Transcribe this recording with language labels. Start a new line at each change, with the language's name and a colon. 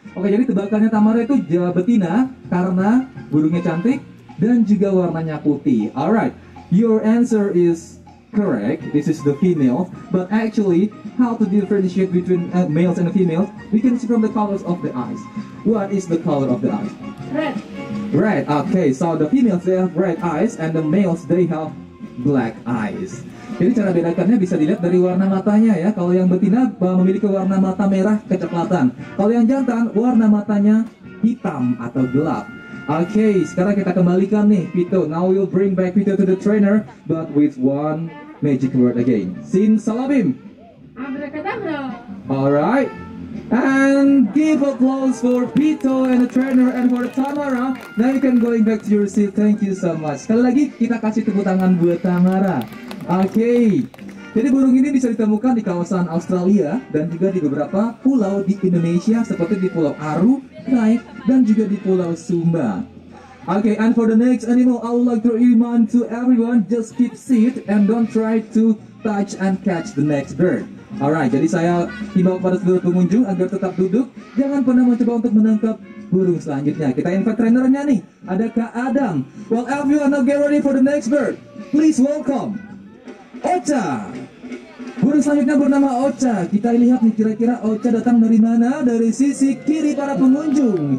Indonesian: Oke, jadi tebakannya Tamara itu betina karena burungnya cantik dan juga warnanya putih.
English: Alright, your answer is correct, this is the female. But actually, how to differentiate between males and females? We can see from the colors of the eyes. What is the color of the eyes? Red. Red, okay. So the females, they have red eyes, and the males, they have black eyes.
Indonesian: Jadi cara bedakannya bisa dilihat dari warna matanya ya. Kalau yang betina memiliki warna mata merah kecoklatan. Kalau yang jantan, warna matanya hitam atau gelap. Okay, sekarang kita kembalikan nih, Pito.
English: Now we'll bring back Pito to the trainer, but with one magic word again. Simsalabim. Abracadabra. Alright. And give applause for Pito and the trainer and for Tamara. Now you can going back to your seat. Thank you so much.
Indonesian: Sekali lagi kita kasih tepuk tangan buat Tamara.
English: Okay.
Indonesian: Jadi burung ini bisa ditemukan di kawasan Australia dan juga di beberapa pulau di Indonesia seperti di Pulau Aru, Raif, dan juga di Pulau Sumba.
English: Okay, and for the next animal, I would like to remind to everyone, just keep seat and don't try to touch and catch the next bird.
Indonesian: Alright, jadi saya himbau pada seluruh pengunjung agar tetap duduk, jangan pernah mencoba untuk menangkap burung selanjutnya. Kita invite trainernya nih, ada Kak Adam.
English: Well, everyone now get ready for the next bird. Please welcome Ocha.
Indonesian: Burung selanjutnya bernama Ocha. Kita lihat nih kira-kira Ocha datang dari mana, dari sisi kiri para pengunjung.